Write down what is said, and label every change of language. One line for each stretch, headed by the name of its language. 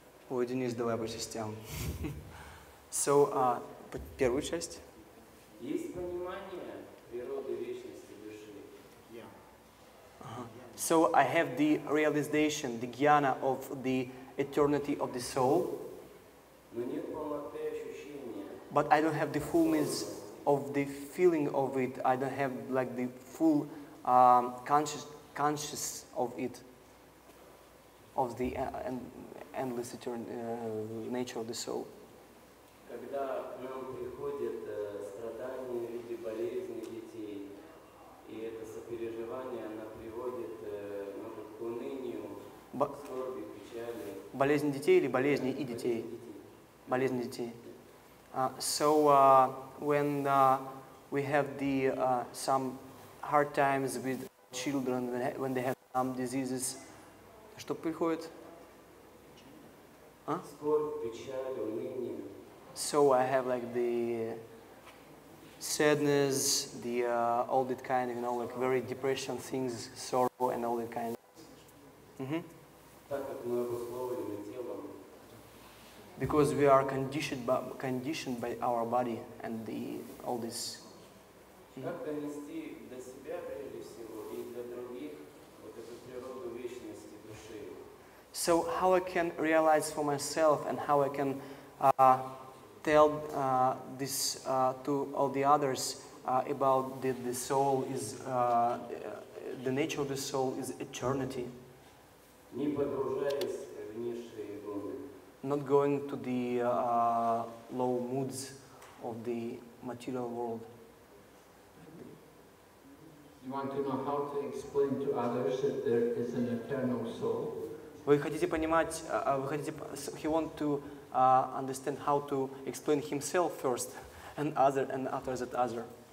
Russian: Ой, Денис, давай по частям. So, первую часть. Есть понимание природы вечности души.
English: So, I have the realization, the jnana of the eternity of the soul.
Russian: Но нет полноты ощущения.
English: But I don't have the fullness of the feeling of it. I don't have like the full conscious of it. Of the endless eternal nature of the soul.
Russian: Когда нам приходят страдания в виде болезни детей, и это сопереживание, оно приводит, может, к унынию, скорби, печали. Болезнь детей или болезни и детей? Болезнь детей.
English: So when we have the some hard times with children, when they have some diseases,
Russian: что приходит? А? Скорбь, печаль, уныние.
English: So I have like the sadness, the all that kind, you know, like very depression things, sorrow and all that kind.
Russian: Так как мы обусловлены телом.
English: Because we are conditioned by our body and the all this.
Russian: Как донести до себя прежде всего и для других вот эту природу вечности души?
English: So how I can realize for myself and how I can tell this to all the others about the soul is the nature of the soul is eternity.
Russian: Не погружаясь в низшие волны.
English: Not going to the low moods of the material world. You want to know how to explain to others that there is an eternal soul?
Russian: Вы хотите понимать, вы хотите,
English: he want to understand how to explain himself first, and other, and after that other.